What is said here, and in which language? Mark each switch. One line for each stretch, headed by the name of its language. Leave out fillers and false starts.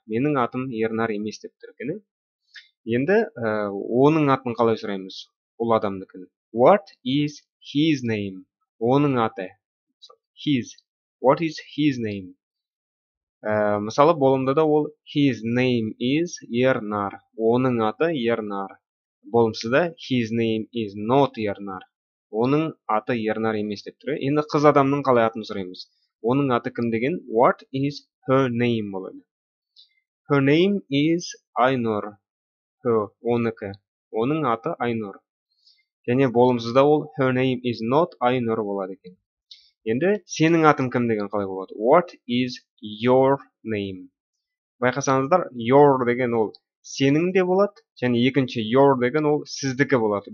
Kazakh: Менің атым Ернар емес деп тұр екен. Енді оның атын қалай сұраймыз? Ол адамдікі.
English: What is his name?
Kazakh: Оның аты. His.
English: What is his name?
Kazakh: Мысалы, болымды да ол
English: his name is Ернар.
Kazakh: Оның аты Ернар. Болымсызда
English: his name is not Ернар.
Kazakh: Оның аты Ернар емес деп тұр. Енді қыз адамның қалай атын сұраймыз? Оның аты кім деген?
English: What is her name болады? Her name is Айнур.
Kazakh: Her оныкі. Оның аты Айнур. Және болымсызда ол
English: her name is not Айнур
Kazakh: болады екен. Енді сенің атың кім деген қалай болады?
English: What is your name?
Kazakh: Байқасаңыздар, your деген ол сенің де болады, және екінші your деген ол сіздікі болады.